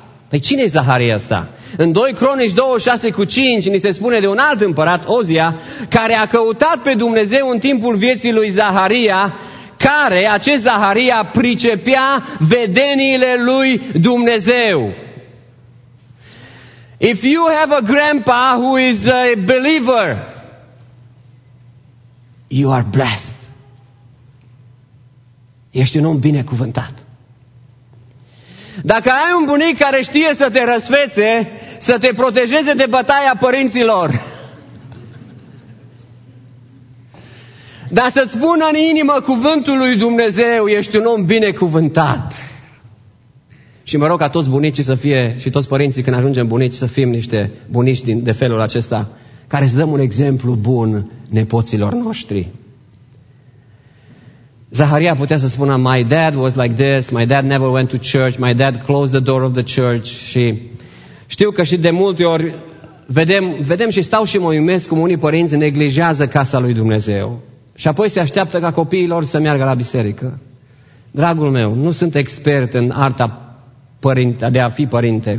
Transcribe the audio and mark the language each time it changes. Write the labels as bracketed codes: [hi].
[ro] Păi cine e Zaharia asta? În 2 Cronici 26:5 ni se spune de un alt împărat, Ozia, care a căutat pe Dumnezeu în timpul vieții lui Zaharia, care, acest Zaharia, pricepea vedeniile lui Dumnezeu. [en] If you have a grandpa who is a believer, you are blessed. [ro] Ești un om binecuvântat. Dacă ai un bunic care știe să te răsfețe, să te protejeze de bătaia părinților, Dar să-ți spună în inimă cuvântul lui Dumnezeu, ești un om binecuvântat. Și mă rog ca toți bunicii să fie, și toți părinții când ajungem bunici, să fim niște bunici de felul acesta, care să dăm un exemplu bun nepoților noștri. Zaharia putea să spună, [en] my dad was like this, my dad never went to church, my dad closed the door of the church. [ro] Și știu că și de multe ori vedem și stau și mă uimesc cum unii părinți neglijează casa lui Dumnezeu. Și apoi se așteaptă ca copiilor să meargă la biserică. Dragul meu, nu sunt expert în arta de a fi părinte.